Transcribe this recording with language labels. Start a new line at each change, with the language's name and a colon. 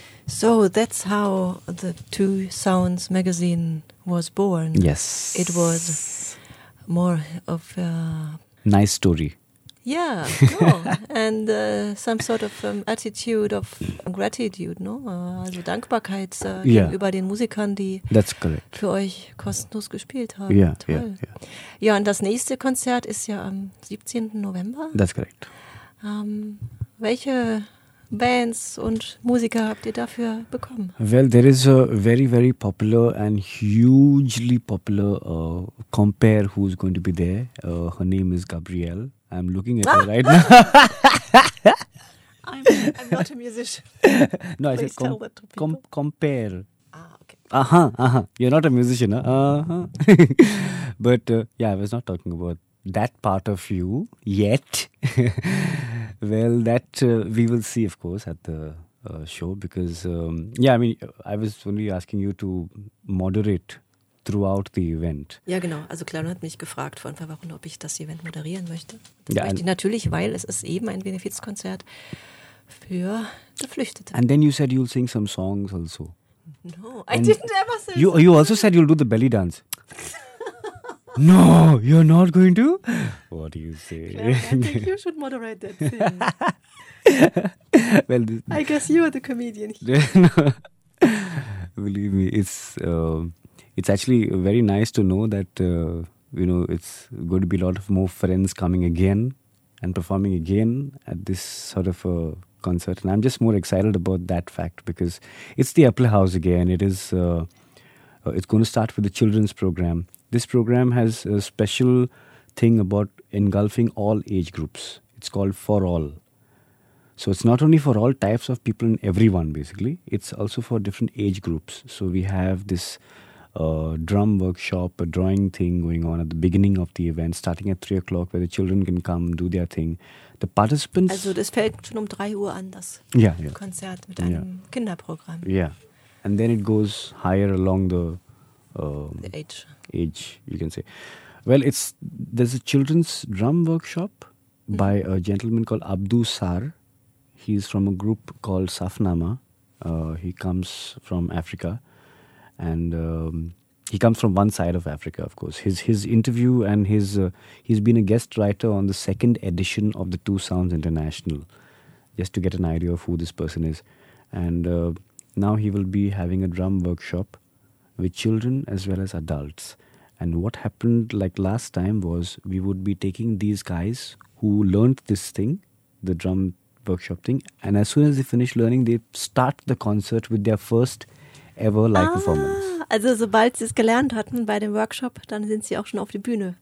English: So that's how the Two Sounds magazine was born. Yes. It was more of a... nice story. Yeah, cool. And some sort of attitude of gratitude, no?
German: Also Dankbarkeit gegenüber den Musikern, die für euch kostenlos gespielt haben.
English: Yeah,
German: toll.
English: Yeah.
German: Ja, und das nächste Konzert ist ja am 17. November.
English: That's correct.
German: Welche Bands und Musiker habt ihr dafür bekommen?
English: Well, there is a very, very popular and hugely popular compere who's going to be there. Her name is Gabrielle. I'm looking at her right now. I'm not a musician. No, please I said compare. Ah, okay. You're not a musician, huh? But I was not talking about that part of you yet. Well, that we will see, of course, at the show because, I was only asking you to moderate throughout the event.
German: Ja, genau. Also Clarence hat mich gefragt vor ein paar Wochen, ob ich das Event moderieren möchte. Natürlich, weil es ist eben ein Benefizkonzert für Geflüchtete.
English: And then you said you'll sing some songs also. No, I didn't ever say you, so. You also said you'll do the belly dance. No, you're not going to? What do you say? Claire, I think you should moderate that thing. Well, I guess you are the comedian here. No, believe me, it's actually very nice to know that, you know, it's going to be a lot of more friends coming again and performing again at this sort of concert. And I'm just more excited about that fact because it's the Apple House again. It is, it's going to start with the children's program. This program has a special thing about engulfing all age groups. It's called For All. So it's not only for all types of people and everyone, basically. It's also for different age groups. So we have this drum workshop, a drawing thing going on at the beginning of the event, starting at 3 o'clock, where the children can come, do their thing. The participants...
German: Also, das fällt schon 3 Uhr an, das Konzert mit einem Kinderprogramm.
English: Yeah. And then it goes higher along the... The age. Age, you can say. Well, there's a children's drum workshop by a gentleman called Abdu Sar. He's from a group called Safnama. He comes from Africa. And he comes from one side of Africa, of course. His interview and his... he's been a guest writer on the second edition of the Two Sounds International, just to get an idea of who this person is. And now he will be having a drum workshop with children as well as adults. And what happened like last time was we would be taking these guys who learned this thing, the drum workshop thing, and as soon as they finish learning, they start the concert with their first ever live performance.
German: Also sobald sie es gelernt hatten bei dem Workshop, dann sind sie auch schon auf die Bühne.